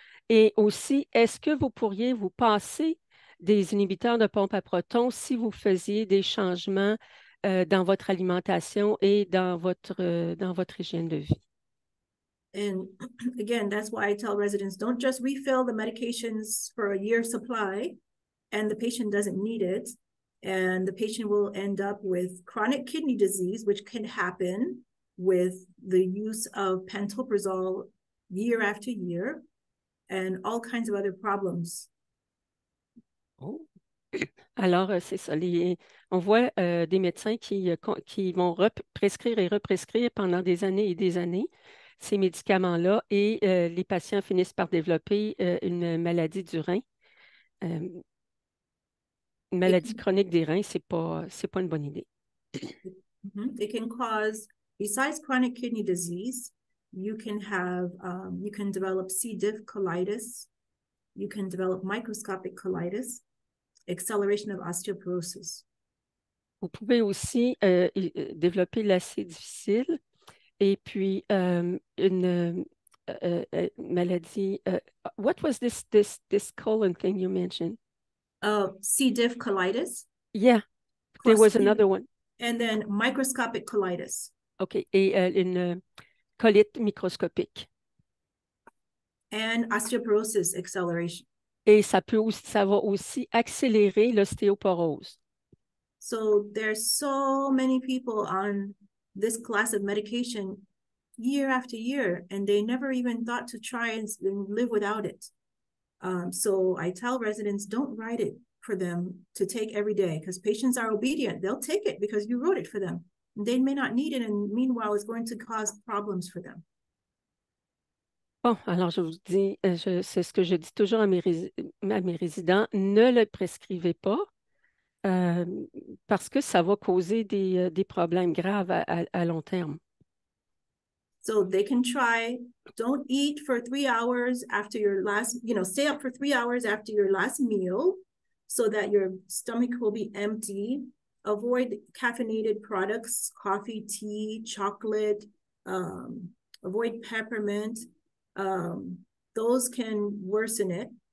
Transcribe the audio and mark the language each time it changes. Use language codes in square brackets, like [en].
[fr] Et aussi, est-ce que vous pourriez vous passer des inhibiteurs de pompe à protons si vous faisiez des changements dans votre alimentation et dans votre hygiène de vie. [en] And again, that's why I tell residents, don't just refill the medications for a year's supply and the patient doesn't need it. And the patient will end up with chronic kidney disease, which can happen with the use of pantoprazole year after year and all kinds of other problems. [fr] Oh. Alors, c'est ça. On voit des médecins qui vont prescrire et represcrire pendant des années et des années ces médicaments-là et les patients finissent par développer une maladie du rein. Une maladie chronique des reins, c'est pas une bonne idée. [en] can cause, besides chronic kidney disease, you can develop C. diff colitis, you can develop microscopic colitis, acceleration of osteoporosis. [fr] Vous pouvez aussi développer l'acide difficile et puis une maladie. [en] What was this colon thing you mentioned? C. diff colitis, Yeah, there was possibly, another one. and then microscopic colitis. [fr] OK, et une colite microscopique. [en] And osteoporosis acceleration. [fr] Et ça va aussi accélérer l'ostéoporose. [en] So there's so many people on this class of medication year after year, and they never even thought to try and live without it. So I tell residents, don't write it for them to take every day, because patients are obedient. They'll take it because you wrote it for them. They may not need it, and meanwhile, it's going to cause problems for them. Bon, alors je vous dis, c'est ce que je dis toujours à mes résidents, ne le prescrivez pas parce que ça va causer des problèmes graves à long terme. So they can try. Don't eat for 3 hours after your last, stay up for 3 hours after your last meal so that your stomach will be empty. Avoid caffeinated products, coffee, tea, chocolate. Avoid peppermint. Those can worsen it.